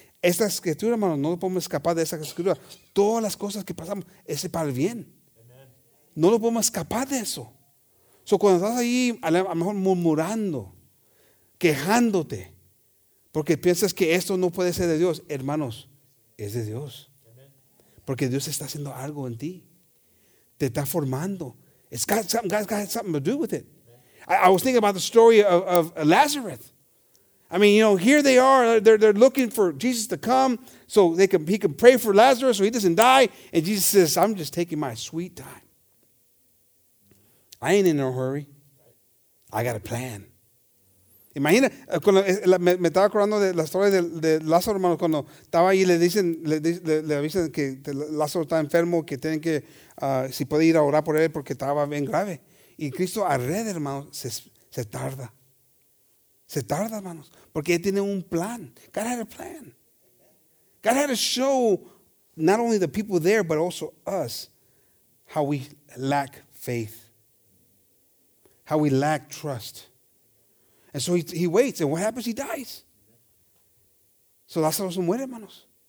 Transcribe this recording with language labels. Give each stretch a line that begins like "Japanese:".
Spanish: Esta escritura, hermano, no podemos escapar de esa escritura. Todas las cosas que pasamos, ese para el bien. No lo podemos escapar de eso. So, cuando estás ahí, a lo mejor murmurando, quejándote, porque piensas que esto no puede ser de Dios, hermanos, es de Dios. Porque Dios está haciendo algo en ti. Te está formando.
English: It's got something, God's got something to do with it. I was thinking about the story of Lazarus. I mean, you know, here they are. They're looking for Jesus to come so he can pray for Lazarus so he doesn't die. And Jesus says, I'm just taking my sweet time. I ain't in no hurry. I got a plan. Imagina, cuando me estaba acordando de la historia de Lázaro, hermano, cuando estaba ahí, le avisan que Lázaro está enfermo, que tienen que, si puede ir a orar por él porque estaba bien grave. Y Cristo alrededor, hermano, se tarda. Se tarda, hermanos, porque él tiene un plan. God had a plan. God had to show not only the people there, but also us, how we lack faith. How we lack trust. And so he waits. And what happens? He dies.
Spanish: So Lázaro se muere, hermanos.